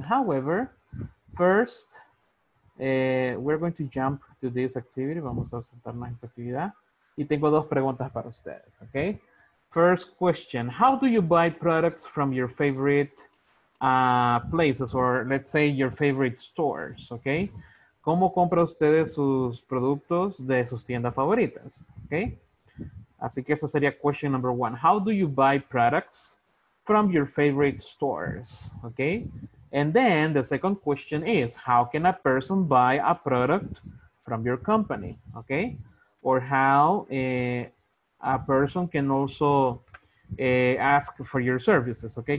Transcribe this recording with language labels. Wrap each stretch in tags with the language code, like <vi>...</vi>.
<en>However, first, we're going to jump to this activity.</en> <es>Vamos a sentarnos esta actividad. Y tengo dos preguntas para ustedes, okay?</es> <en>First question, how do you buy products from your favorite places, or let's say your favorite stores, okay?</en> <es>¿Cómo compra ustedes sus productos de sus tiendas favoritas, okay? Así que esa sería</es> <en>question number one. How do you buy products from your favorite stores, okay? And then the second question is, how can a person buy a product from your company, okay? Or how a person can also ask for your services, okay?</en>